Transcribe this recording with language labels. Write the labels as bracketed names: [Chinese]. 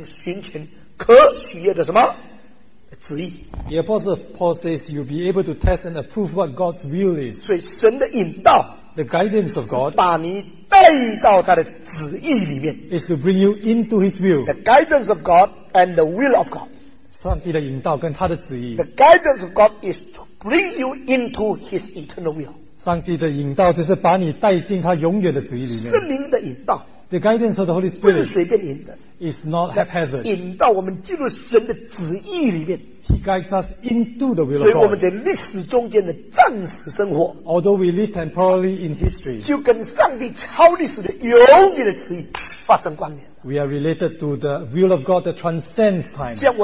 [Chinese] 保罗先提到要查验何为上帝善良寻求可喜悦的什么? [English] The Apostle Paul says you'll be able to test and approve what God's will is. [Chinese] 所以神的引导, [English] the guidance of God, [Chinese] 把你带到他的旨意里面, [English] is to bring you into His will. The guidance of God and the will of God. [Chinese] 上帝的引导跟他的旨意, [English] the guidance of God is to bring you into His eternal will. [Chinese] 上帝的引导就是把你带进他永远的旨意里面, 圣灵的引导, [English] the guidance of the Holy Spirit is not haphazard. He guides us into the will of God. Although we live temporarily in history, we are related to the will of God that transcends time.